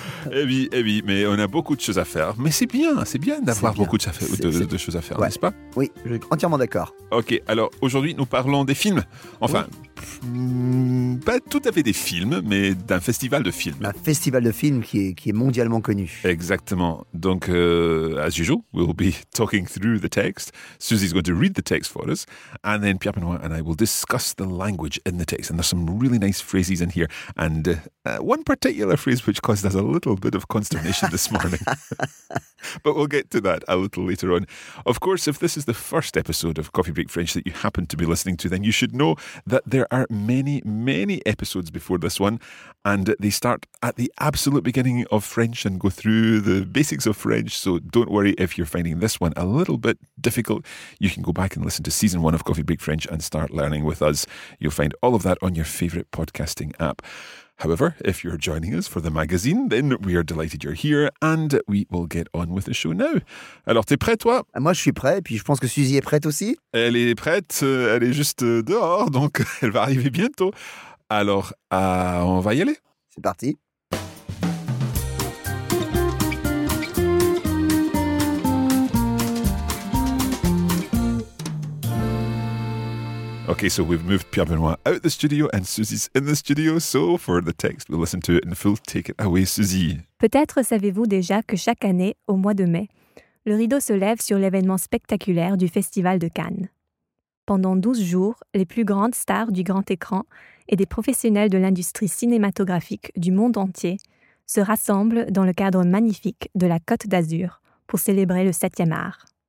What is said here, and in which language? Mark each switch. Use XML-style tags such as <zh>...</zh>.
<fr>Eh oui, mais on a beaucoup de choses à faire. Mais c'est bien d'avoir beaucoup de choses à faire, ouais. N'est-ce pas ? Oui, je suis entièrement d'accord. Ok, alors aujourd'hui, nous parlons des films. Enfin... Oui. Pas tout à fait des films, mais d'un festival de films. Un festival de films qui est mondialement connu. Exactement. Donc,</fr> <en>as usual, we'll be talking through the text. Susie's going to read the text for us. And then Pierre Benoît and I will discuss the language in the text. And there's some really nice phrases in here. And one particular phrase which caused us a little bit of consternation this morning. But we'll get to that a little later on. Of course, if this is the first episode of Coffee Break French that you happen to be listening to, then you should know that there are many, many episodes before this one, and they start at the absolute beginning of French and go through the basics of French. So don't worry if you're finding this one a little bit difficult. You can go back and listen to season one of Coffee Break French and start learning with us. You'll find all of that on your favorite podcasting app. However, if you're joining us for the magazine, then we are delighted you're here and we will get on with the show now.</en> <fr>Alors, t'es prêt, toi ? Moi, je suis prêt et puis je pense que Suzy est prête aussi. Elle est prête, elle est juste dehors, donc elle va arriver bientôt. Alors, on va y aller. C'est parti.</fr> <en>Okay, so we've moved Pierre Benoît out of the studio and Susie's in the studio. So for the text, we'll listen to it in full. Take it away, Susie.</en> <fr>Peut-être savez-vous déjà que chaque année, au mois de mai, le rideau se lève sur l'événement spectaculaire du Festival de Cannes. Pendant 12 jours, les plus grandes stars du grand écran et des professionnels de l'industrie cinématographique du monde entier se rassemblent dans le cadre magnifique de la Côte d'Azur pour célébrer le 7e art.</fr>